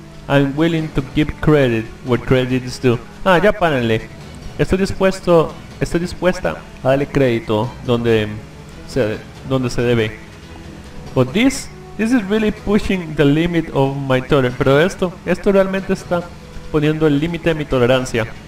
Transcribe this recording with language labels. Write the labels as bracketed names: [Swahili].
[English] I'm willing to give credit where credit is due. [Spanish] Ah, ya párenle. Estoy dispuesta a darle crédito donde se debe. [English] But this is really pushing the limit of my tolerance. [Spanish] Pero esto realmente está poniendo el límite de mi tolerancia.